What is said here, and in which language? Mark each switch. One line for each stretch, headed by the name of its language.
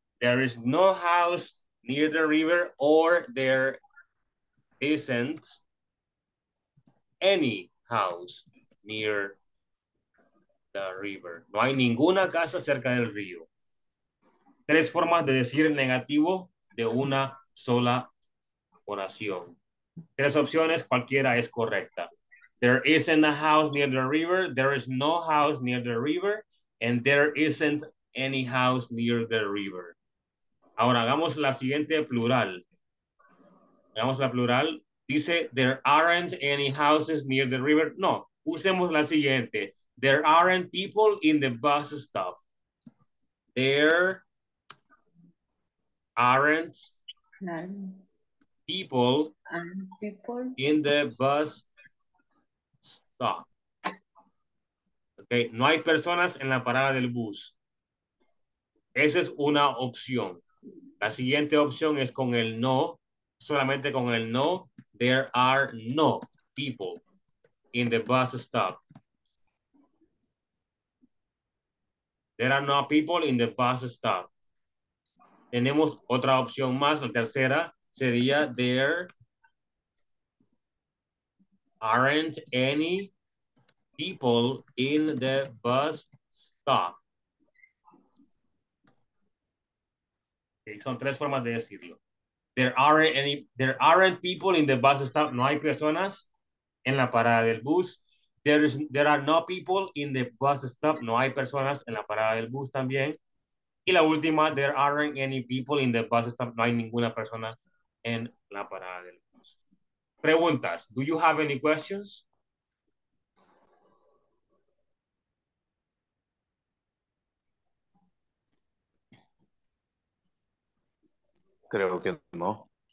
English: There is no house near the river, or there isn't any house near the river.
Spanish: No hay ninguna casa cerca del río. Tres formas de decir el negativo de una sola oración. Tres opciones, cualquiera es correcta.
English: There isn't a house near the river, there is no house near the river, and there isn't any house near the river.
Spanish: Ahora hagamos la siguiente plural. Hagamos la plural.
English: Dice, there aren't any houses near the river.
Spanish: No, usemos la siguiente.
English: There aren't people in the bus stop. There aren't people in the bus stop. Okay.
Spanish: No hay personas en la parada del bus. Esa es una opción. La siguiente opción es con el no, solamente con el no.
English: There are no people in the bus stop. There are no people in the bus stop.
Spanish: Tenemos otra opción más, la tercera sería
English: there aren't any people in the bus stop. Okay,
Spanish: son tres formas de decirlo.
English: There aren't people in the bus stop.
Spanish: No hay personas en la parada del bus.
English: There are no people in the bus stop.
Spanish: No hay personas en la parada del bus también. Y la última,
English: there aren't any people in the bus stop.
Spanish: No hay ninguna persona en la parada del bus. Preguntas.
English: Do you have any questions?
Spanish: Creo que no.